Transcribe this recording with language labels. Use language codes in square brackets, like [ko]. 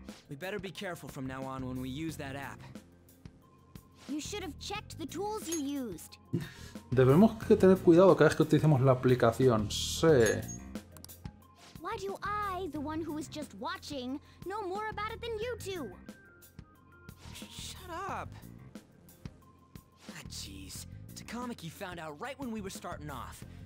[en] We better be careful from now on when we use that app. You should have checked the tools you used. [es] Debemos que tener cuidado cada vez que utilicemos la aplicación. Sí. [en] Why do I, the one who was just watching, know more about it than you two? Shut up. Ah, jeez. Takamaki found out right when we were starting off.